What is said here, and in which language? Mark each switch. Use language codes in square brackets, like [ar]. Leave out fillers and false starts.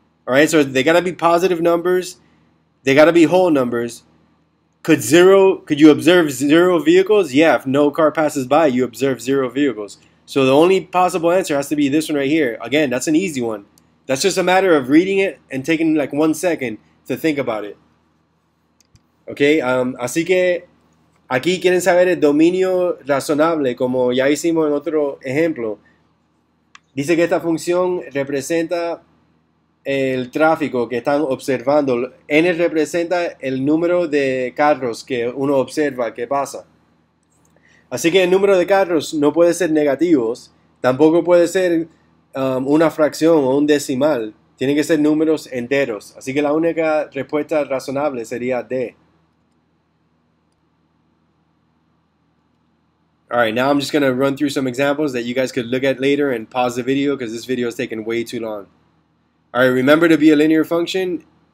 [en] All right, so they got to be positive numbers. They got to be whole numbers. Could you observe zero vehicles? Yeah, if no car passes by, you observe zero vehicles. So the only possible answer has to be this one right here. Again, that's an easy one. That's just a matter of reading it and taking like 1 second to think about it. [es] Okay, así que aquí quieren saber el dominio razonable, como ya hicimos en otro ejemplo. Dice que esta función representa el tráfico que están observando. N representa el número de carros que uno observa que pasa. Así que el número de carros no puede ser negativos, tampoco puede ser una fracción o un decimal. Tienen que ser números enteros. Así que la única respuesta razonable sería D. [en] All right, now I'm just going to run through some examples that you guys could look at later and pause the video because this video is taking way too long. All right, remember to be a linear function.